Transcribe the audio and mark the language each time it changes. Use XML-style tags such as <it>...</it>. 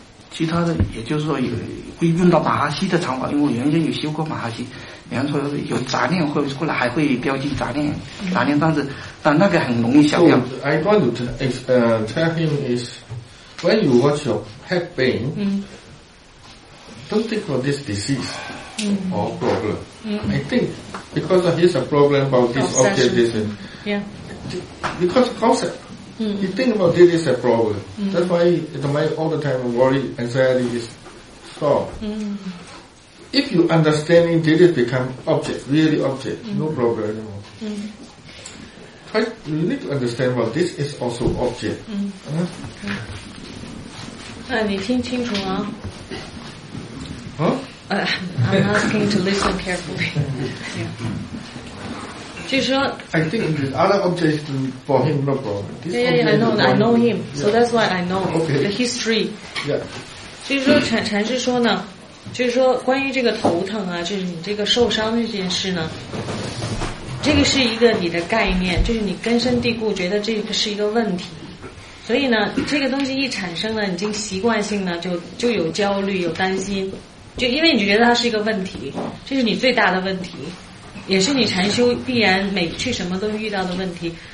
<zh>其他的也就是说有会用到马哈西的禅法，因为我原先有修过马哈西，比方说有杂念，会后来还会标记杂念，杂念，但是但那个很容易消掉。</zh> <en>So, I want to tell him is when you watch your head pain, don't think of this disease or problem. I think because here's a problem about this object, this thing. Yeah. Because concept. You think about this is a problem. That's why the mind all the time worry, anxiety is strong. If you understand it, this become object, really object, no problem anymore. You need to understand about this is also object. I'm asking to listen carefully. Yeah.</en> <zh>就是说,</zh> <en>I think the other object is for him, no problem. I know him, so that's why I know the history. Yeah.</en> <zh>就是说, 禅师说呢, 就是说关于这个头疼啊, 就是你这个受伤这件事呢, 这个是一个你的概念, 就是你根深蒂固觉得这个是一个问题。所以呢，这个东西一产生呢，已经习惯性呢，就有焦虑，有担心，就因为你觉得它是一个问题，这是你最大的问题，也是你禅修必然每去什么都遇到的问题。</zh>